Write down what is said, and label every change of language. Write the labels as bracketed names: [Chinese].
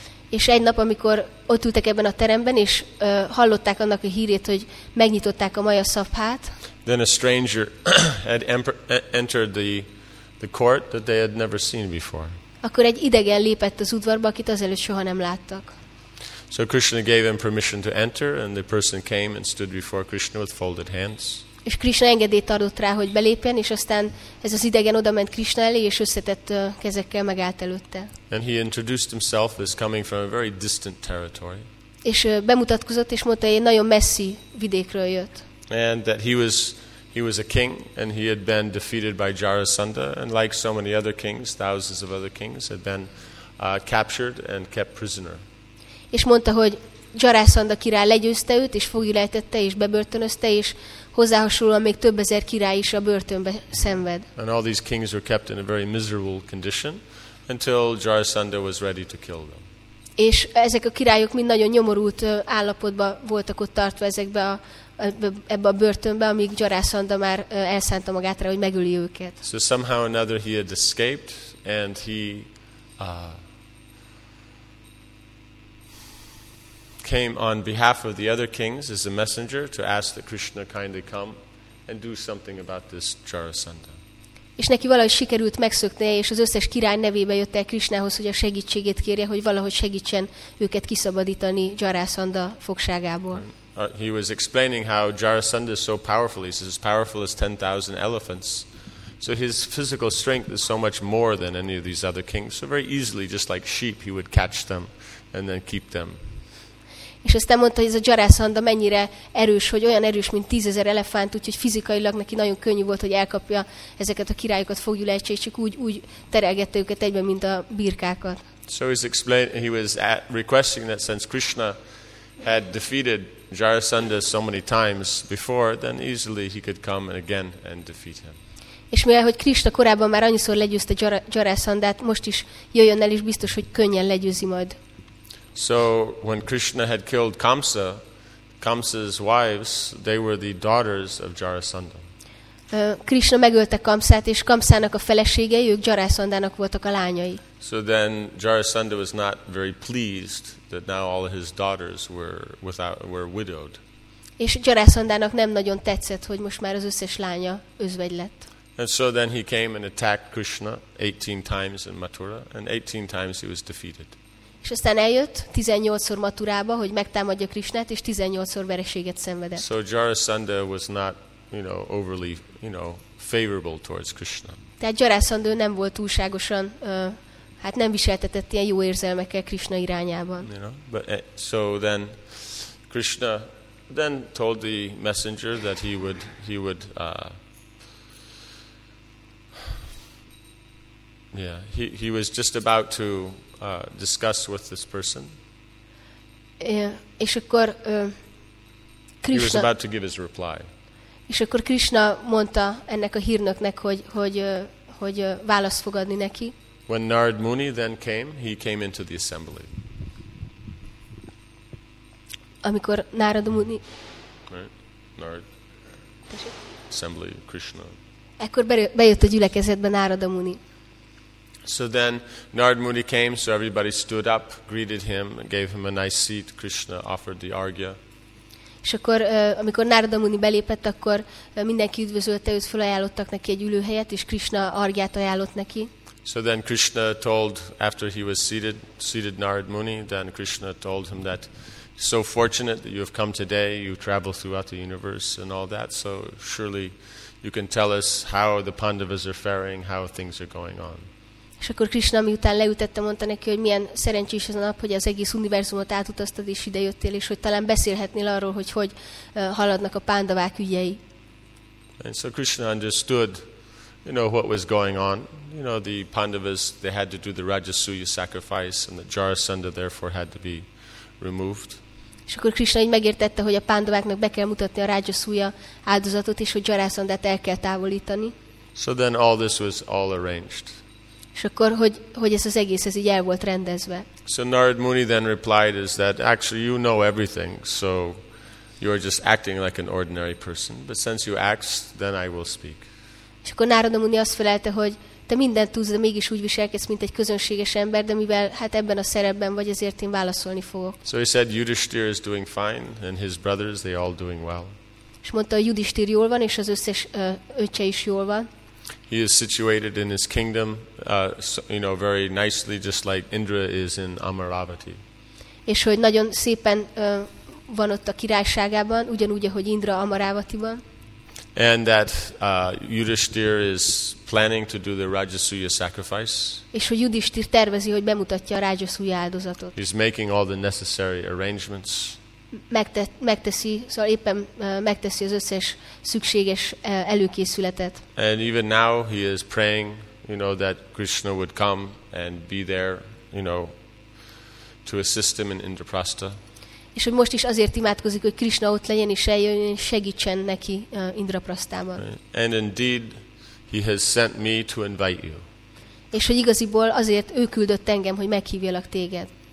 [Hungarian] És egy nap, amikor ott ültek ebben a teremben, és hallották annak a hírét, hogy megnyitották a Maya Sabhát. [English] Then a stranger had entered the court that they had never seen before. [Hungarian] Akkor egy idegen lépett az udvarba, akit azelőtt soha nem láttak. [English] So Krishna gave him permission to enter, and the person came and stood before Krishna with folded hands. [Hungarian] És Krishna engedélyt adott rá, hogy belépjen, és aztán ez az idegen odament Krishna elé, és összetett kezekkel megállt előtte. [English] And he introduced himself as coming from a very distant territory. [Hungarian] És bemutatkozott, és mondta, hogy egy nagyon messzi vidékről jött. [English] And that he was a king, and he had been defeated by Jarasandha, and like so many other kings, thousands of other kings, had been captured and kept prisoner. [Hungarian] És mondta, hogy Jarasandha király legyőzte őt, és foglyulejtette, és bebörtönözte, és hozzá hasonlóan még több ezer király is a börtönbe szenved. [English] And all these kings were kept in a very miserable condition until Jarasandha was ready to kill them. [Hungarian] És ezek a királyok mind nagyon nyomorult állapotban voltak ott tartva ezekbe a ebbe a börtönbe, amíg Gyarászanda már elszánta magát rá, hogy megöli őket. [English] So somehow another he had escaped and he came on behalf of the other kings as a messenger to ask that Krishna kindly come and do something about this Jarasandha. [Hungarian] És neki valahogy sikerült megszöknie, és az összes király nevében jött el Krishnához, hogy a segítségét kérje, hogy valahogy segítsen őket kiszabadítani Jarasandha fogságából. [English] He was explaining how Jarasandha is so powerful. He's as powerful as 10,000 elephants. So his physical strength is so much more than any of these other kings. So very easily, just like sheep, he would catch them and then keep them. [Hungarian] És aztán mondta, hogy ez a Jarasandha mennyire erős, hogy olyan erős, mint 10,000 elefánt, úgyhogy fizikailag neki nagyon könnyű volt, hogy elkapja ezeket a királyokat, fogjul el, csak úgy terelgette őket egyben, mint a birkákat. [English] So he's explaining, he was requesting that since Krishna had defeated Jarasandha so many times before, then easily he could come again and defeat him. [Hungarian] És mivel, hogy Krishna korábban már annyiszor legyőzte Jarasandhát, most is jöjjön el, és biztos, hogy könnyen legyőzi majd. [English] So when Krishna had killed Kamsa, Kamsa's wives, they were the daughters of Jarasandha. [Hungarian] Krishna megölte Kamsát, és Kamsának a feleségei, ők Jarasandának voltak a lányai. [English] So then Jarasandha was not very pleased that now all his daughters were widowed. [Hungarian] És Jarasandának nem nagyon tetszett, hogy most már az összes lánya özvegy lett. [English] And so then he came and attacked Krishna 18 times in Mathura, and 18 times he was defeated. [Hungarian] És aztán eljött 18-szor Maturába, hogy megtámadja Krishnát, és 18-szor vereséget szenvedett. [English] So Jarasandha was not, you know, overly, you know, favorable towards Krishna. [Hungarian] Tehát Jarasandha nem volt túlságosan, hát nem viseltetett ilyen jó érzelmekkel Krishna irányában. [English] You know, but so then Krishna then told the messenger that he was just about to discuss with this person. [Hungarian] És akkor Krishna, [English] he was about to give his reply. [Hungarian] És akkor Krishna mondta ennek a hírnöknek, hogy választ fog adni neki. [English] When Narad Muni then came, he came into the assembly. [Hungarian] Amikor Narad Muni. [English] Right. Narad. [Hungarian] Tessék. [English] Assembly Krishna. [Hungarian] Ekkor bejött a gyülekezetbe Narad Muni. [English] So then Narad Muni came, so everybody stood up, greeted him, gave him a nice seat. Krishna offered the argya. [Hungarian] És akkor amikor Narad Muni belépett, akkor mindenki üdvözölte őt, felajánlottak neki egy ülőhelyet, és Krishna argyát ajánlott neki. [English] So then Krishna told, after he was seated Narad Muni, then Krishna told him that so fortunate that you have come today, you travel throughout the universe and all that, so surely you can tell us how the Pandavas are faring, how things are going on. [Hungarian] És akkor Krishna, miután leütette, mondta neki, hogy milyen szerencsés ez a nap, hogy az egész univerzumot átutaztad és idejöttél, és hogy talán beszélhetnél arról, hogy haladnak a Pandavák ügyei. [English] And so Krishna understood, you know, what was going on. You know, the Pandavas, they had to do the Rajasuya sacrifice, and the Jarasandha therefore had to be removed. [Hungarian] És akkor Krishna így megértette, hogy a Pandaváknak be kell mutatni a Rajasuya áldozatot, és hogy Jarasandhát el kell távolítani. [English] So then all this was all arranged. [Hungarian] És akkor hogy ez az egész ez így el volt rendezve. [English] So Narad Muni then replied is that actually you know everything, so you are just acting like an ordinary person, but since you asked, then I will speak. [Hungarian] És akkor Narad Muni azt felelte, hogy te mindent tudsz, de mégis úgy viselkedsz, mint egy közönséges ember, de mivel hát ebben a szerepben vagy, ezért én válaszolni fogok. [English] So he said Yudhishthir is doing fine and his brothers, they all doing well. [Hungarian] És mondta, hogy Yudhishthir jól van, és az összes öccse is jól van. [English] He is situated in his kingdom, you know, very nicely, just like Indra is in Amaravati. [Hungarian] És hogy nagyon szépen van ott a királyságában, ugyanúgy, ahogy Indra Amaravatiban. [English] And that Yudhishthir is planning to do the Rajasuya sacrifice. [Hungarian] És hogy Yudhishthir tervezi, hogy bemutatja a Rajasuya áldozatot. [English] He's making all the necessary arrangements. [Hungarian] Megteszi, szóval éppen megteszi az összes szükséges előkészületet. [English] And even now he is praying, you know, that Krishna would come and be there, you know, to assist him in Indraprastha. [Hungarian] És hogy most is azért imádkozik, hogy Krishna ott legyen és eljön és segítsen neki Indraprasthában. [English] And indeed he has sent me to invite you. [Hungarian] És hogy igaziból azért ő küldött engem, hogy meghívjalak téged.